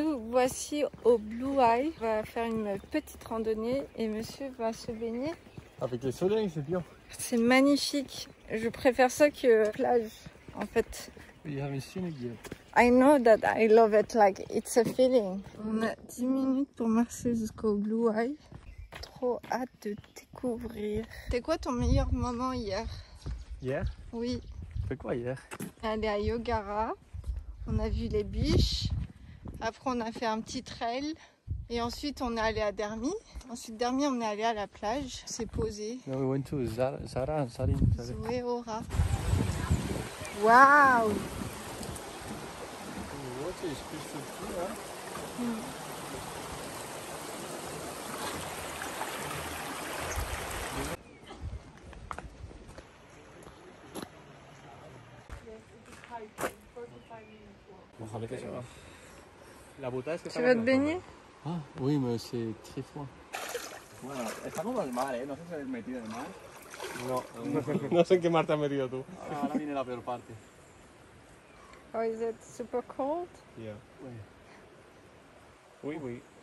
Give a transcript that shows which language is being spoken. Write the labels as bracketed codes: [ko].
[fr] Voici au Blue Eye, on va faire une petite randonnée et monsieur va se baigner. Avec le soleil, c'est bien. C'est magnifique, je préfère ça que plage en fait. [en] You haven't seen it yet. I know that I love it, like it's a feeling. [fr] On a 10 minutes pour marcher jusqu'au Blue Eye. Trop hâte de découvrir. C'est quoi ton meilleur moment hier? Hier? Oui. Fais quoi hier? Aller à Yogara, on a vu les biches. Après, on a fait un petit trail et ensuite on est allé à Dermi. Ensuite, Dermi, on est allé à la plage, on s'est posé. [en] Non, we went to Zara and Sarin. Zoé, Aura. Waouh! The water is crystal clear. [fr] Hein? La bouteille, est-ce que tu vas te baigner? Ah oui, mais c'est très froid. [es] Está como el mar, no sé si habéis metido el mar. No, no sé en qué mar te has metido tú. Ahora viene la peor parte. [en] Oh, is it super cold? Yeah. Uy, uy.